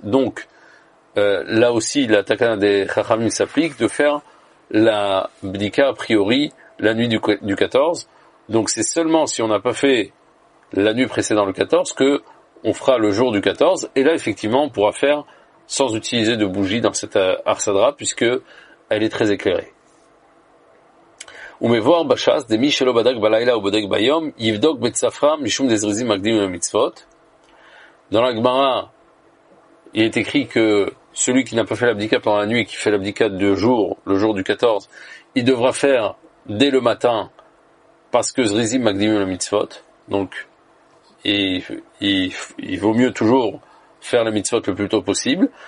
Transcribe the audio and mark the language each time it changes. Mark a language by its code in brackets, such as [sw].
[fr] Donc, là aussi, la takana des chachamim s'applique de faire la bdika a priori la nuit du 14. Donc, c'est seulement si on n'a pas fait la nuit précédant le 14 que on fera le jour du 14. Et là, effectivement, on pourra faire sans utiliser de bougie dans cette arsadra puisque elle est très éclairée. [he] ומבואר בשס, דמי שלא בדק בלילה ובודק ביום, יבדוק בצפרה משום דזריזים מקדים במצוות. [fr] Dans la Gemara, il est écrit que celui qui n'a pas fait l'abdika pendant la nuit, qui fait l'abdika de jour, le jour du 14, il devra faire dès le matin, parce que [he] zrizim magdim la mitzvot. [fr] Donc, il vaut mieux toujours faire la mitzvot le plus tôt possible.